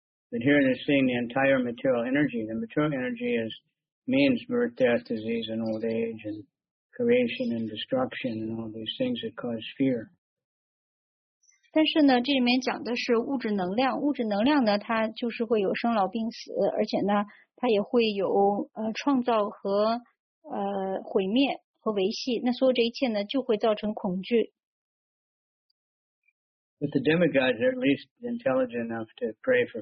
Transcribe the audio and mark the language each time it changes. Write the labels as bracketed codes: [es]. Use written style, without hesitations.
[en] But here they're seeing the entire material energy. The material energy is means birth, death, disease, and old age, and creation and destruction, and all these things that cause fear. [zh] 但是呢，这里面讲的是物质能量。物质能量呢，它就是会有生老病死，而且呢，它也会有创造和 毁灭和维系，那所有这一切呢，就会造成恐惧。 [en] But the demigods are at least intelligent enough to pray for